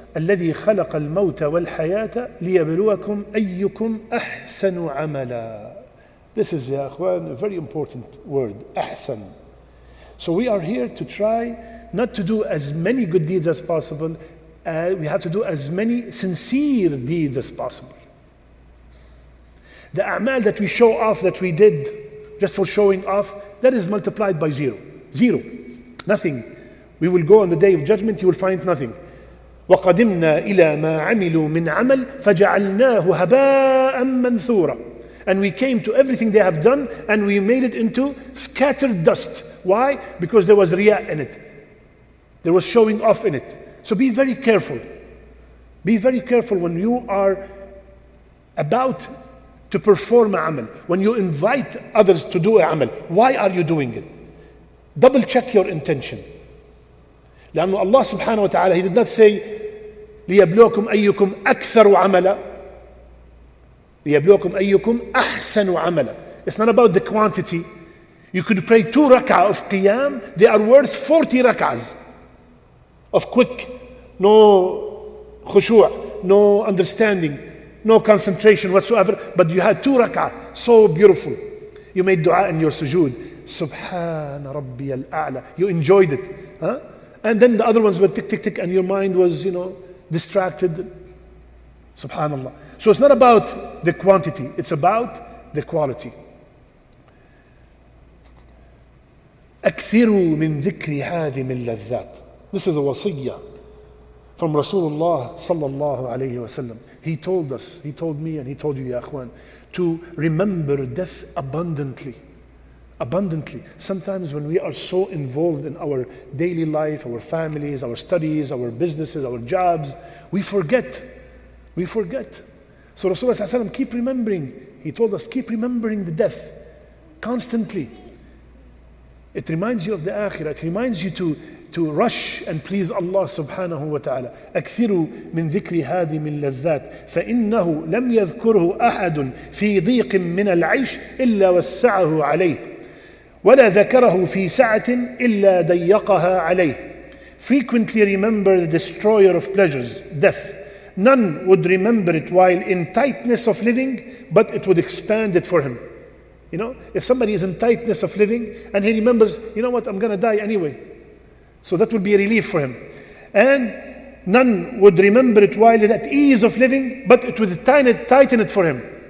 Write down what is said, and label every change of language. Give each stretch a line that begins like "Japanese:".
Arabic: الذي خلق الموت والحياة ليبلوكم أيكم أحسن عملا.
English: This is, ya akhwan, a very important word, أحسن. So we are here to try not to do as many good deeds as possible. We have to do as many sincere deeds as possible. The a'mal that we show off that we did just for showing off, that is multiplied by zero. Zero. Nothing. We will go on the day of judgment, you will find nothing.
Arabic: وَقَدِمْنَا إِلَى مَا عَمِلُوا مِنْ عَمَلْ فَجَعَلْنَاهُ هَبَاءً مَنْثُورًا.
English: And we came to everything they have done and we made it into scattered dust. Why? Because there was riya in it. There was showing off in it. So be very careful. Be very careful when you are about to perform a amal. When you invite others to do a amal. Why are you doing it? Double check your intention.
Arabic: لأن الله سبحانه وتعالى,
English: he did not say
Arabic: ليبلوكم أيكم أكثر عملا. ليبلوكم أيكم أحسن عملا.
English: It's not about the quantity. You could pray two rak'ah of qiyam, they are worth 40 rak'ahs of quick, no khushu', no understanding, no concentration whatsoever, but you had two rak'ah, so beautiful. You made dua in your sujood.
Arabic: سبحان ربي الأعلى.
English: You enjoyed it. And then the other ones were tick, tick, tick, and your mind was, you know, distracted. Subhanallah. So it's not about the quantity, it's about the quality.
Arabic: أكثروا من ذكر هذه من لذات.
English: This is a wasiyya from Rasulullah sallallahu alayhi wa sallam. He told us, he told me and he told you, ya akhwan, to remember death abundantly. Abundantly. Sometimes when we are so involved in our daily life, our families, our studies, our businesses, our jobs, we forget. We forget. So Rasulullah ﷺ, keep remembering. He told us, keep remembering the death constantly. It reminds you of the akhirah. It reminds you to rush and please Allah subhanahu wa ta'ala.
Arabic: أكثروا من ذكر هذه من لذات فإنه لم يذكره أحد في ضيق من العيش إلا وسعه عليه وَلَا ذَكَرَهُ فِي سَعَةٍ إِلَّا دَيَّقَهَا عَلَيْهِ.
English: Frequently remember the destroyer of pleasures, death. None would remember it while in tightness of living, but it would expand it for him. You know, if somebody is in tightness of living and he remembers, you know what, I'm going to die anyway. So that would be a relief for him. And none would remember it while at ease of living, but it would tighten it for him.